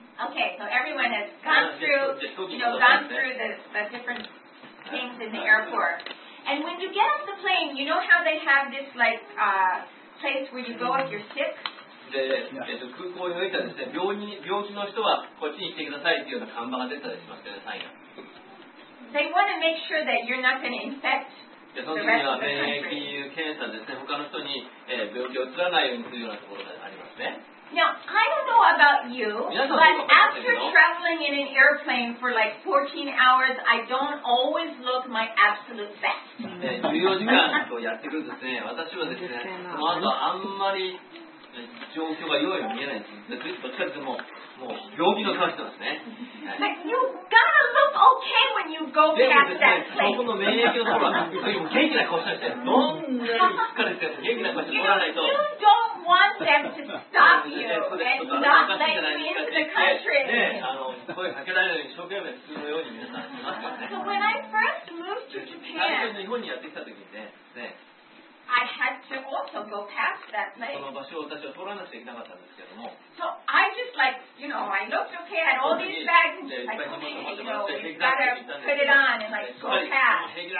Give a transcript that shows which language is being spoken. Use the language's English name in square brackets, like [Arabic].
[English] Okay, so everyone has gone through, you know, gone through the different things in the airport. And when you get off the plane, you know how they have this like place where you go if you're sick? [Japanese] で、空港においてはですね、病気の人はこっちに行ってくださいっていうような看板が出たりしますけど、サインが。 [English] They want to make sure that you're not going to infect the rest of the country. [Japanese] その時には免疫検査ですね、他の人に、病気を移らないようにするようなところがありますね。 [English] Now, I don't know about you, but after traveling in an airplane for like 14 hours, I don't always look my absolute best. [Japanese] 14時間とやってくるですね、私はですね、まずあんまり状況が良いように見えないんです。どっちかというと、もう病気の顔してますね。 [English] Like, you gotta look okay when you go past that place. [Japanese] でもですね、この免疫のところは、元気な顔してて、どんなに疲れてて、元気な顔して取らないと。 [English] You don't want them to stop you and not let you into the country. [Japanese] ね、声かけられないように、一生懸命普通のように皆さん、いますからね。 [English] So when I first moved to Japan, [Japanese] 最初に日本にやってきた時にね、ね、 [English] I had to also go past that place. [Japanese] その場所を私は通らなくちゃいけなかったんですけども。 [English] So I just like, you know, I looked okay, I had all these bags, like, okay, you know, you gotta put it on and like go past.